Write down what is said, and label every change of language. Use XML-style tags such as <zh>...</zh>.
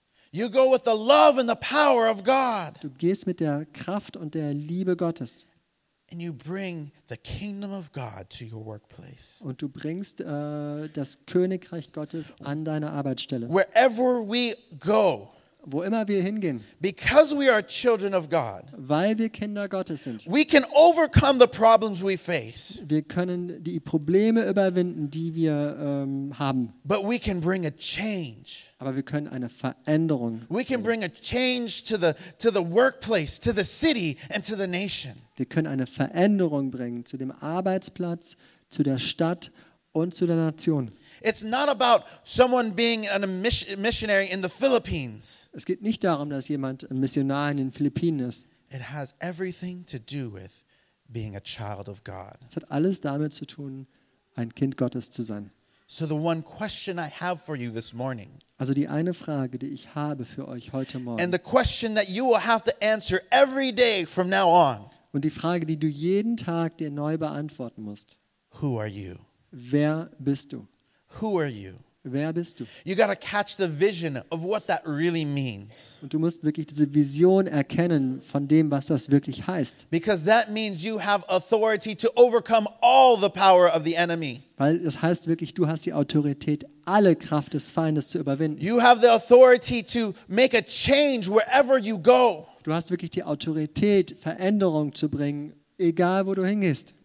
<en>You go with the love and the power of God.</en> <de>Du gehst mit der Kraft und der Liebe Gottes.</de> <en>And you bring the kingdom of God to your workplace.</en> <de>Und du bringst das Königreich Gottes an deine Arbeitsstelle.</de> <en>Wherever we go,</en> <de>wo immer wir hingehen,</de> <en>because we are children of God,</en> <de>weil wir Kinder Gottes sind,</de> <en>we can overcome the problems we face.</en> <de>Wir können die Probleme überwinden, die wir haben.</de> <en>But we can bring a change.</en> <de>Aber wir können eine Veränderung.</de> <en>We can bring a change to the workplace, to the city, and to the nation.</en> <de>Wir können eine Veränderung bringen zu dem Arbeitsplatz, zu der Stadt und zu der Nation.</de> <en>It's not about someone being a missionary in the Philippines.</en> <de>Es geht nicht darum, dass jemand ein Missionar in den Philippinen ist.</de> <en>It has everything to do with being a child of God.</en> <de>Es hat alles damit zu tun, ein Kind Gottes zu sein.</de> <en>So the one question I have for you this morning.</en> <de>Also die eine Frage, die ich habe für euch heute Morgen.</de> <en>And the question that you will have to answer every day from now on.</en> <de>Und die Frage, die du jeden Tag dir neu beantworten musst.</de> <en>Who are you?</en> <de>Wer bist du?</de> <en>Who are you?</en> <de>Wer bist du?</de> <en>You got to catch the vision of what that really means.</en> <de>Und du musst wirklich diese Vision erkennen von dem, was das wirklich heißt.</de> <en>Because that means you have authority to overcome all the power of the enemy.</en> <de>Weil es heißt wirklich, du hast die Autorität, alle Kraft des Feindes zu überwinden.</de> <en>You have the authority to make a change wherever you go.</en> <de>Du hast wirklich die Autorität, Veränderung zu bringen, egal wo du hingehst.</de>